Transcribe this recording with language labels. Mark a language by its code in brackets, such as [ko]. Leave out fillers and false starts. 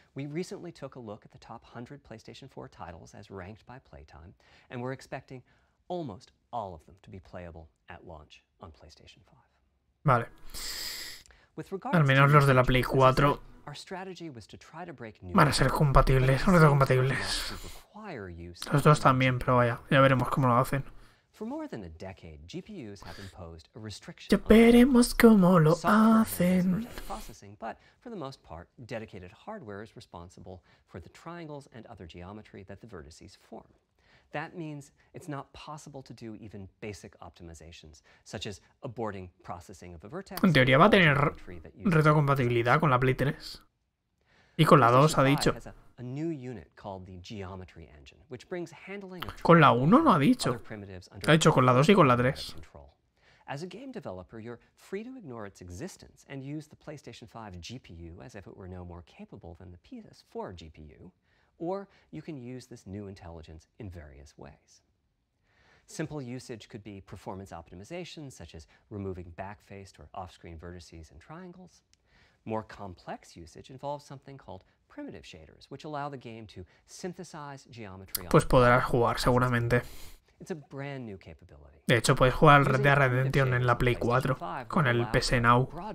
[en] We recently took a look at the top 100 PlayStation 4 titles as ranked by playtime, and we're expecting almost all of them to be playable at launch on PlayStation 5. [es] Vale. [en] With regards [es] al menos los de la Play 4, [en] our strategy was to try to break new [es] van a ser compatibles, son retrocompatibles. Los dos también, pero vaya, ya veremos cómo lo hacen. [en] For more than a decade, GPUs have imposed a restriction [es] ya veremos cómo lo hacen. [en] Processing, but for the most part, dedicated hardware is responsible for the triangles and other geometry that the vertices form. That means it's not possible to do even basic optimizations, such as aborting processing of a vertex. [es] En teoría va a tener retrocompatibilidad con la Play 3 y con la 2, ha dicho. [en] A new unit called the geometry engine, which brings handling [es] con la 1 no ha dicho. Ha dicho con la 2 y con la 3. [en] As a game developer, you're free to ignore its existence and use the PlayStation 5 GPU as if it were no more capable than the PS4 GPU, or you can use this new intelligence in various ways. Simple usage could be performance optimizations, such as removing backfaced or off-screen vertices and triangles. More complex usage involves something called primitive shaders, which allow the game to synthesize geometry. [es] Pues podrás jugar seguramente. De hecho, puedes jugar al Red Dead Redemption en la Play 4 con el PS Now.